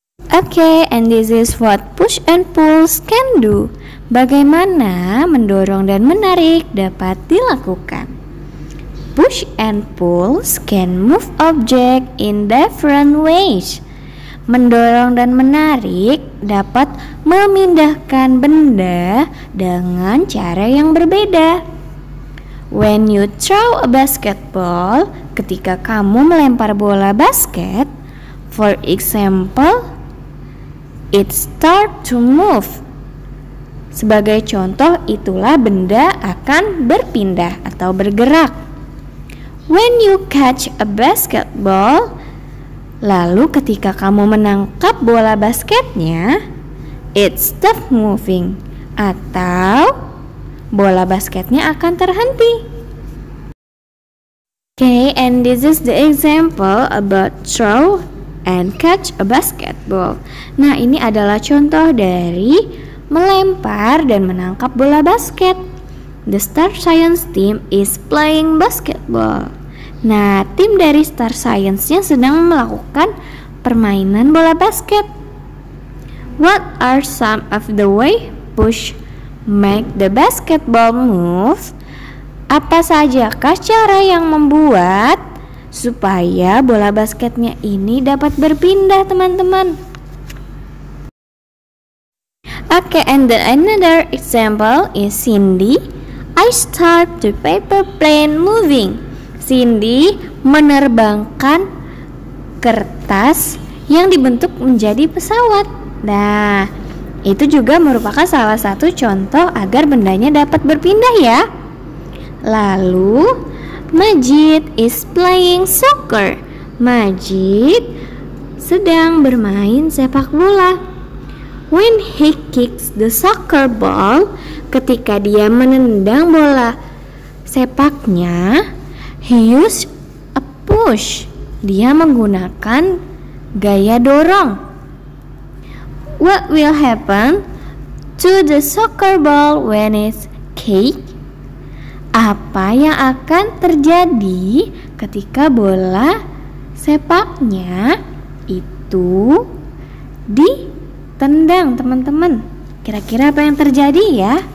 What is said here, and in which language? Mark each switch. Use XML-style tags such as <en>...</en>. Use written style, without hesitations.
<en>Oke, and this is what push and pulls can do.</en> <id>Bagaimana mendorong dan menarik dapat dilakukan?</id> <en>Push and pulls can move object in different ways.</en> <id>Mendorong dan menarik dapat memindahkan benda dengan cara yang berbeda.</id> <en>When you throw a basketball,</en> <id>ketika kamu melempar bola basket,</id> <en>for example, it start to move.</en> <id>Sebagai contoh, itulah benda akan berpindah atau bergerak.</id> <en>When you catch a basketball,</en> <id>lalu ketika kamu menangkap bola basketnya,</id> <en>it stop moving,</en> <id>atau bola basketnya akan terhenti.</id> <en>Okay, and this is the example about throw and catch a basketball.</en> <id>Nah, ini adalah contoh dari melempar dan menangkap bola basket.</id> <en>The Star Science team is playing basketball.</en> <id>Nah, tim dari Star Science-nya sedang melakukan permainan bola basket.</id> <en>What are some of the way push make the basketball move?</en> <id>Apa sajakah cara yang membuat supaya bola basketnya ini dapat berpindah, teman-teman?</id> <en>Okay, and then another example is Cindy. I start the paper plane moving.</en> <id>Cindy menerbangkan kertas yang dibentuk menjadi pesawat. Nah, itu juga merupakan salah satu contoh agar bendanya dapat berpindah ya. Lalu,</id> <en>Majid is playing soccer.</en> <id>Majid sedang bermain sepak bola.</id> <en>When he kicks the soccer ball,</en> <id>ketika dia menendang bola sepaknya,</id> <en>he use a push.</en> <id>Dia menggunakan gaya dorong.</id> <en>What will happen to the soccer ball when it's kicked?</en> <id>Apa yang akan terjadi ketika bola sepaknya itu ditendang, teman-teman? Kira-kira apa yang terjadi ya?</id>